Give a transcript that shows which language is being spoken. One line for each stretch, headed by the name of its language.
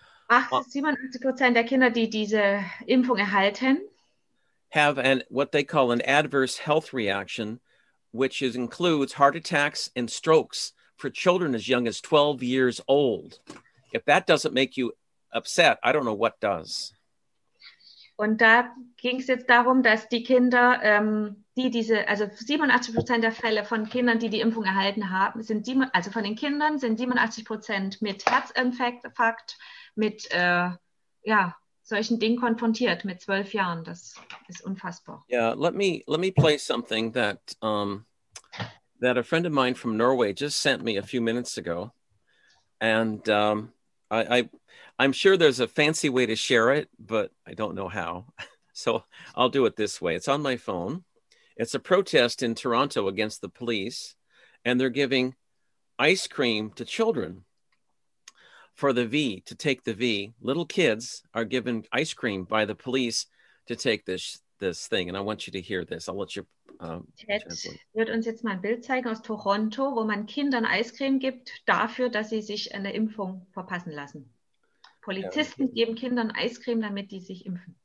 German: 87% der Kinder, die diese Impfung erhalten.
English: Have an what they call an adverse health reaction, which is, includes heart attacks and strokes for children as young as 12 years old. If that doesn't make you upset, I don't know what does.
German: Und da ging es jetzt darum, dass die Kinder, die diese, also 87% der Fälle von Kindern, die die Impfung erhalten haben, sind sieben, also von den Kindern sind 87% mit Herzinfarkt, mit ja, solchen Dingen konfrontiert mit 12 Jahren. Das ist unfassbar.
English: Yeah, let me play something that that a friend of mine from Norway just sent me a few minutes ago, and I'm sure there's a fancy way to share it, but I don't know how. So I'll do it this way. It's on my phone. It's a protest in Toronto against the police, and they're giving ice cream to children for the V, to take the V. Little kids are given ice cream by the police to take this thing. And I want you to hear this. I'll let you
German: Ted wird uns jetzt mal ein Bild zeigen aus Toronto, wo man Kindern Eiscreme gibt dafür, dass sie sich eine Impfung verpassen lassen. Polizisten geben Kindern Eiscreme, damit die sich impfen.